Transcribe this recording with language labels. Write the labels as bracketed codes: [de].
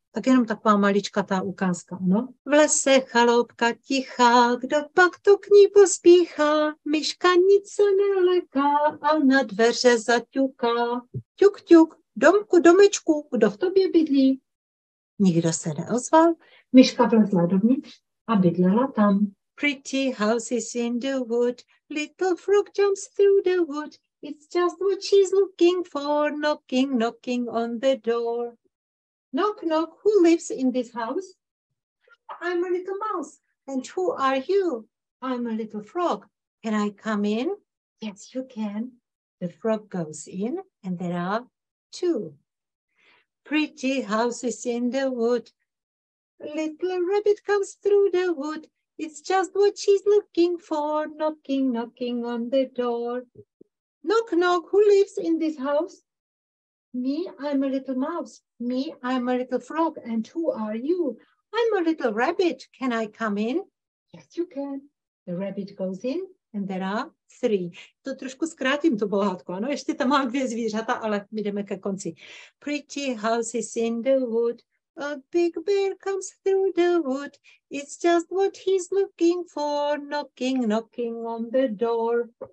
[cs] Tak jenom taková maličkatá ukázka, no. V lese chaloupka tichá, kdo pak tu k ní pospíchá, myška nic se neleká a na dveře zaťuká. Ťuk, ťuk, domku, domečku, kdo v tobě bydlí? Nikdo se neozval, myška vlezla dovnitř a bydlela tam. [en] Pretty houses in the wood, little frog jumps through the wood, it's just what she's looking for, knocking, knocking on the door. Knock, knock, who lives in this house? I'm a little mouse. And who are you? I'm a little frog. Can I come in? Yes, you can. The frog goes in and there are two. Pretty houses in the wood. Little rabbit comes through the wood. It's just what she's looking for. Knocking, knocking on the door. Knock, knock, who lives in this house? Me, I'm a little mouse. Me, I'm a little frog. And who are you? I'm a little rabbit. Can I come in? Yes, you can. The rabbit goes in and there are three. [cs] To trošku zkrátím tu pohádku. Ano, ještě tam mám dvě zvířata, ale my jdeme ke konci. [en] Pretty houses in the wood. A big bear comes through the wood. It's just what he's looking for. Knocking, knocking on the door.